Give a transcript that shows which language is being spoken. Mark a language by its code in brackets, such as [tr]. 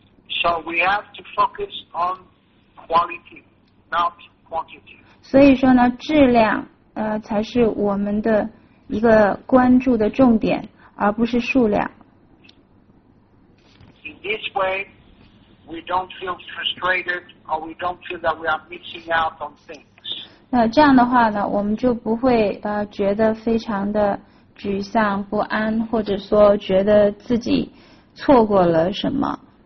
[en] So we have to focus on quality, not quantity. [zh] 所以说呢，质量才是我们的一个关注的重点，而不是数量。 [en] This way, we don't feel frustrated, or we don't feel that we are missing out on things. [zh] 这样的话呢，我们就不会觉得非常的沮丧不安，或者说觉得自己错过了什么。